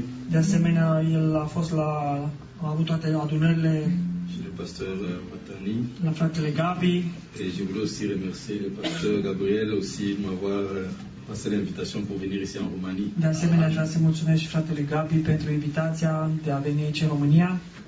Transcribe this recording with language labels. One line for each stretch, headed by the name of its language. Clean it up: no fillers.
Romanian: De asemenea, el a fost la a avut toate adunările pastor Matani, la fratele Gabi.
French: Et je voulais aussi remercier le pasteur Gabriel aussi de m'avoir passé l'invitation pour venir ici en Roumanie.
Romanian: De asemenea, vreau să mulțumesc și fratele Gabi pentru invitația de a veni aici în România.